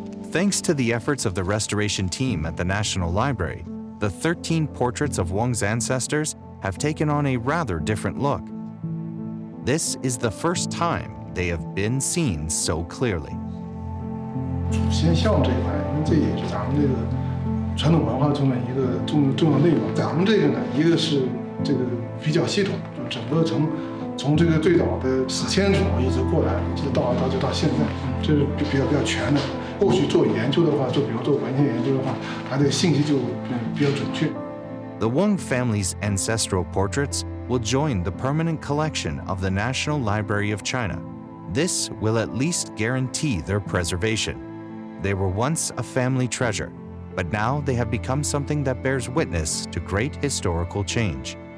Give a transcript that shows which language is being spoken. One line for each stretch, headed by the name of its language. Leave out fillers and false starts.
English: Thanks to the efforts of the restoration team at the National Library, the 13 portraits of Wang's ancestors have taken on a rather different look. This is the first time they have been seen so clearly.
Chinese: 祖先像这一块，因为这也是咱们这个传统文化中的一个重要内容。咱们这个呢，一个是这个比较系统，就整个从这个最早的史前祖一直过来，一直到现在，这是比较全的。后续做研究的话，就比如做文献研究的话，它的信息就比较准确。
English: The Wang family's ancestral portraits will join the permanent collection of the National Library of China. This will at least guarantee their preservation. They were once a family treasure, but now they have become something that bears witness to great historical change.